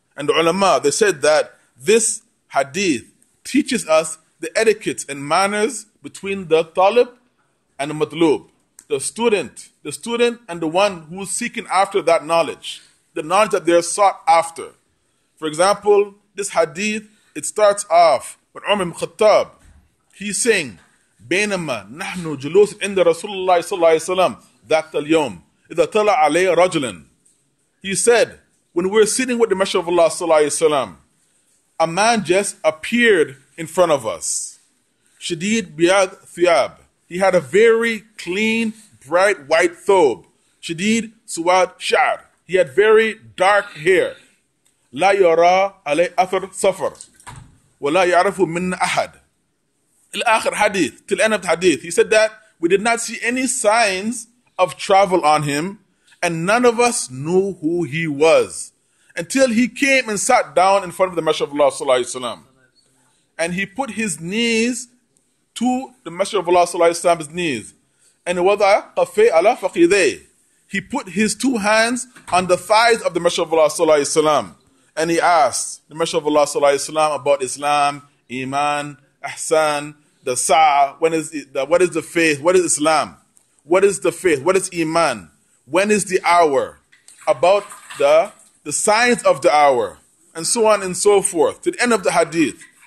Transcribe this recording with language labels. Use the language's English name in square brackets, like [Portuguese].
[English] And the ulama, they said that this hadith teaches us the etiquettes and manners between the talib and the matlub, the student and the one who is seeking after that knowledge, the knowledge that they are sought after. For example, this hadith, it starts off with Umar ibn Khattab. He's saying, [Arabic] بَيْنَمَا نَحْنُ جُلُوسٍ عِنْدَ رَسُولُ اللَّهِ صَلَّى اللَّهِ وَسَلَّمْ ذَاتَ الْيَوْمِ إِذَا طَلَعَ عَلَيْهِ رَجُلٍ. [English] He said, when we're sitting with the Messenger of Allah [Arabic] صلى الله عليه وسلم, [English] a man just appeared in front of us. [Arabic] شديد بياض ثياب. [English] He had a very clean, bright white thobe. [Arabic] شديد سواد شعر. [English] He had very dark hair. [Arabic] لا يرى عليه أثر سفر ولا يعرف من أحد. الآخر حديث, [English] till end of the hadith, he said that we did not see any signs of travel on him, and none of us knew who he was until he came and sat down in front of the Messenger of Allah sallallahu alaihi wasallam, and he put his knees to the Messenger of Allah sallallahu alaihi wasallam's knees, and [Arabic] wada qafi ala faqidai, [English] he put his two hands on the thighs of the Messenger of Allah sallallahu alaihi wasallam, and he asked the Messenger of Allah sallallahu alaihi wasallam about Islam, iman, ahsan, the sa'a, what is the faith, what is Islam, what is the faith, what is iman, when is the hour, about the signs of the hour, and so on and so forth, to the end of the hadith.